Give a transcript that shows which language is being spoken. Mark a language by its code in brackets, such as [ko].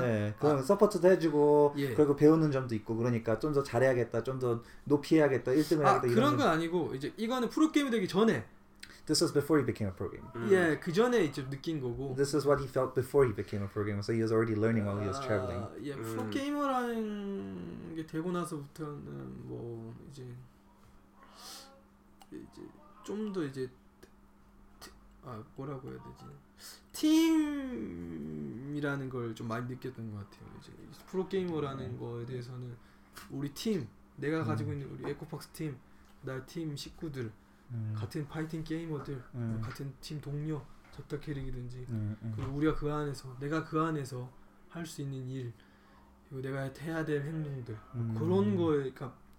[ko] 네 그럼 아, 서포트도 해주고 예. 그리고 배우는 점도 있고 그러니까 좀 더 잘해야겠다 좀 더 높이 해야겠다 1등을 아, 해야겠다 아 그런 건 아니고 이제 이거는 프로게이머 되기 전에 [en] This was before he became a programmer [ko] 예 그 전에 이제 느낀 거고 [en] This is what he felt before he became a programmer so he was already learning while he was traveling [ko] 아, 예 프로게이머라는 게 되고 나서부터는 뭐 이제 이제 좀 더 이제 아 뭐라고 해야 되지 팀이라는 걸 좀 많이 느꼈던 것 같아요. 이제 프로게이머라는 거에 대해서는 우리 팀, 내가 가지고 있는 우리 에코팍스 팀, 나 팀 식구들, 같은 파이팅 게이머들, 같은 팀 동료, 접다 캐릭이든지 그리고 우리가 그 안에서, 내가 그 안에서 할 수 있는 일, 그리고 내가 해야 될 행동들 그런 거에 그러니까